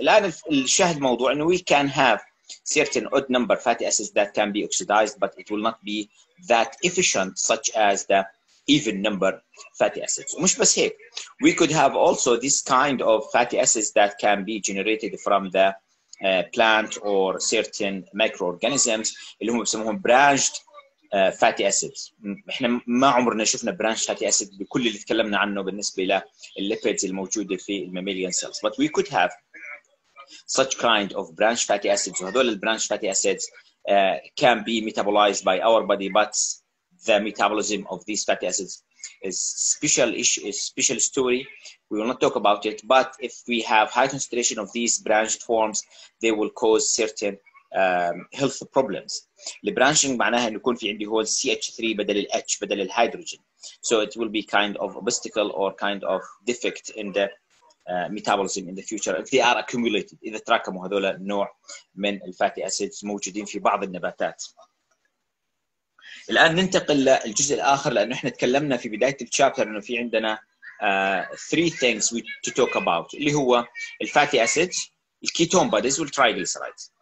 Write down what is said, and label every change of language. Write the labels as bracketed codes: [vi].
[ar] الان الشاهد موضوع انه [en] we can have certain odd number fatty acids that can be oxidized but it will not be that efficient such as the even number fatty acids. [ar] ومش بس هيك [en] we could have also this kind of fatty acids that can be generated from the plant or certain microorganisms [ar] اللي هم بسموهم [en] branched [ar] فاتي اسيد. احنا ما عمرنا شفنا برانش فاتي اسيد بكل اللي تكلمنا عنه بالنسبه للليبيدز الموجوده في الماميليان سيلز, [en] but we could have such kind of branch fatty acids. [ar] وهذول البرانش فاتي اسيدز [en] can be metabolized by our body, but the metabolism of these fatty acids is special issue, is special story. We will not talk about it, but if we have high concentration of these branched forms, they will cause certain health problems. The branching [ar] معناها إنه يكون في عندي هو CH3 بدل ال H بدل ال hydrogen. [en] So it will be kind of obstacle or kind of defect in the metabolism in the future if they are accumulated. [ar] إذا تراكموا هذول النوع من الفاتي أسيدز موجودين في بعض النباتات. الآن ننتقل للجزء الآخر, لأنه إحنا تكلمنا في بداية الشابتر إنه في عندنا [en] three things we to talk about, [ar] اللي هو الفاتي أسيدز, الكيتون بوديز, والترايغليسرايدز.